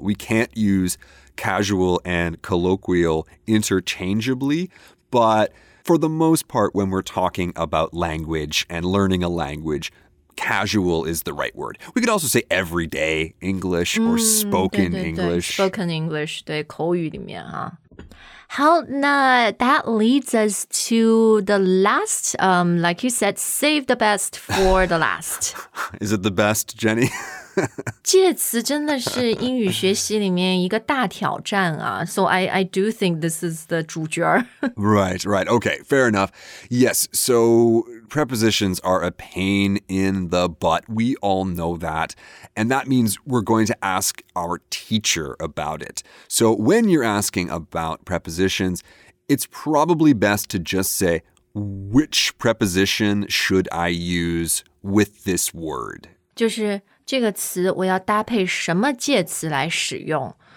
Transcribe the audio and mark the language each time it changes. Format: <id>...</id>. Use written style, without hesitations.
<en>We can't use casual and colloquial interchangeably, but for the most part, when we're talking about language and learning a language,Casual is the right word. We could also say everyday English or spoken</en> <zh>对对对,</zh> <en>English.</en> <zh>Spoken English, 对口语里面啊。好，那</zh> <en>that leads us to the last, like you said, save the best for the last. Is it the best, Jenny?</en> <zh>介词真的是英语学习里面一个大挑战啊。</zh> <en>So I do think this is the 主角。 Right, right. Okay, fair enough. Yes, so prepositions are a pain in the butt. We all know that. And that means we're going to ask our teacher about it. So when you're asking about prepositions, it's probably best to just say, which preposition should I use with this word?</en> <zh>就是这个词我要搭配什么介词来使用?</zh>